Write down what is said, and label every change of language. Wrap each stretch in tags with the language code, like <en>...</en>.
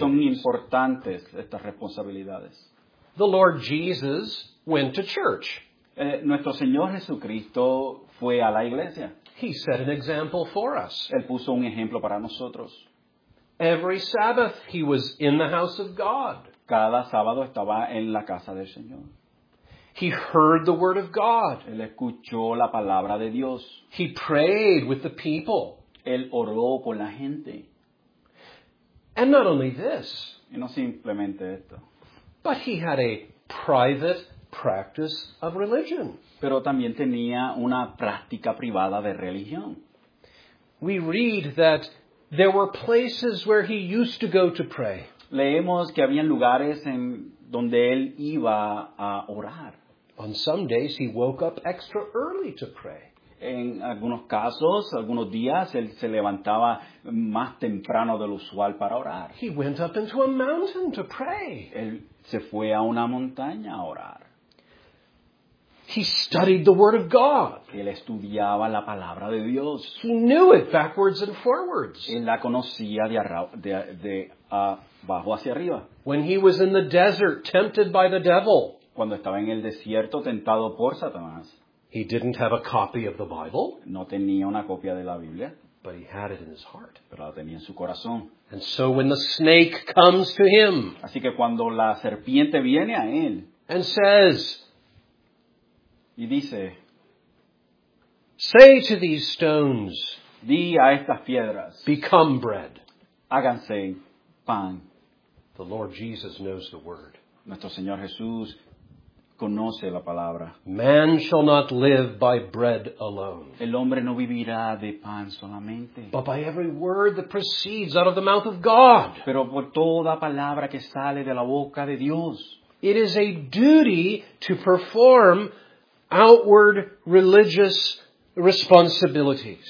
<es>Son importantes estas responsabilidades.</es> <en>The Lord Jesus went to church.</en> <es>Nuestro Señor Jesucristo fue a la iglesia.</es> <en>He set an example for us.</en> <es>Él puso un ejemplo para nosotros.</es> <en>Every Sabbath he was in the house of God.</en> <es>Cada sábado estaba en la casa del Señor.</es> <en>He heard the word of God.</en> <es>Él escuchó la palabra de Dios.</es> <en>He prayed with the people.</en> <es>Él oró con la gente.</es> <en>And not only this.</en> <es>Y no simplemente esto.</es> <en>But he had a private practice of religion.</en> <es>Pero también tenía una práctica privada de religión.</es> <en>We read that there were places where he used to go to pray.</en> <es>Leemos que habían lugares en donde él iba a orar.</es> <en>On some days he woke up extra early to pray.</en> <es>En algunos casos, algunos días, él se levantaba más temprano del usual para orar.</es> <en>He went up into a mountain to pray.</en> <es>Él se fue a una montaña a orar.</es> <en>He studied the Word of God.</en> <es>Él estudiaba la palabra de Dios.</es> <en>He knew it backwards and forwards.</en> <es>Él la conocía de abajo hacia arriba.</es> <en>When he was in the desert, tempted by the devil.</en> <es>Cuando estaba en el desierto, tentado por Satanás.</es> <en>He didn't have a copy of the Bible.</en> <es>No tenía una copia de la Biblia.</es> <en>But he had it in his heart.</en> <es>Pero lo tenía en su corazón.</es> <en>And so when the snake comes to him,</en> <es>así que cuando la serpiente viene a él,</es> <en>and says,</en> <es>y dice,</es> <en>say to these stones,</en> <es>di a estas piedras,</es> <en>become bread,</en> <es>háganse pan.</es> <en>The Lord Jesus knows the word.</en> <es>Nuestro Señor Jesús conoce la palabra.</es> <en>Man shall not live by bread alone.</en> <es>El hombre no vivirá de pan solamente.</es> <en>But by every word that proceeds out of the mouth of God.</en> <es>Pero por toda palabra que sale de la boca de Dios.</es> <en>It is a duty to perform outward religious responsibilities.</en>